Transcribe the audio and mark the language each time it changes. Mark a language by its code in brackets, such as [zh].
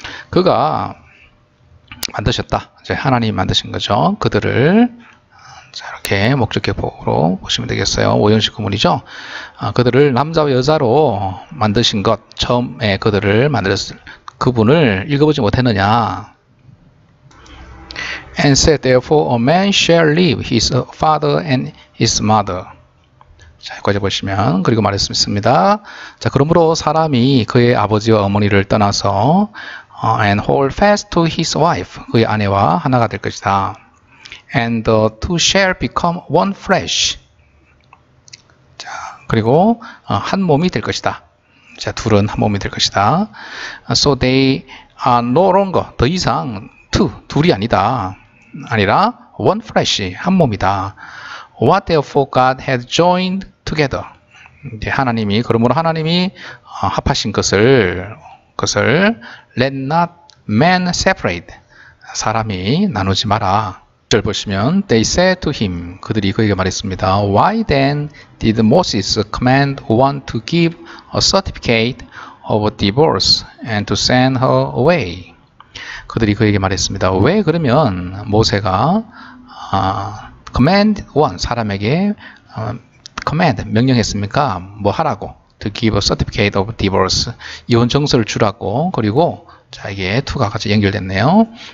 [ko] 그가 만드셨다. 이제 하나님이 만드신 거죠. 그들을 자, 이렇게 목적격으로 보시면 되겠어요. 5형식 구문이죠. 아, 그들을 남자와 여자로 만드신 것, 처음에 그들을 만들었을 그분을 읽어보지 못했느냐. [en] And said, therefore, a man shall leave his father and his mother. [ko] 자, 여기까지 보시면, 그리고 말했습니다. 자, 그러므로 사람이 그의 아버지와 어머니를 떠나서 [en] and hold fast to his wife, [ko] 그의 아내와 하나가 될 것이다. [en] And the two shall become one flesh. [ko] 자, 그리고 한 몸이 될 것이다. 자, 둘은 한 몸이 될 것이다. [en] So they are no longer, [ko] 더 이상 [en] two, [ko] 둘이 아니다. [en] 아니라 one flesh, [ko] 한 몸이다. [en] What therefore God had joined together. [ko] 이제 하나님이, 그러므로 하나님이 합하신 것을 [en] let not man separate. [ko] 사람이 나누지 마라. 보시면 [en] they said to him [ko] 그들이 그에게 말했습니다. [en] Why then did Moses command one to give a certificate of a divorce and to send her away? [ko] 그들이 그에게 말했습니다. 왜 그러면 모세가 [en] command one [ko] 사람에게 command 명령했습니까? 뭐 하라고? [en] To give a certificate of divorce [ko] 이혼 증서를 주라고 그리고 자 이게 투가 같이 연결됐네요.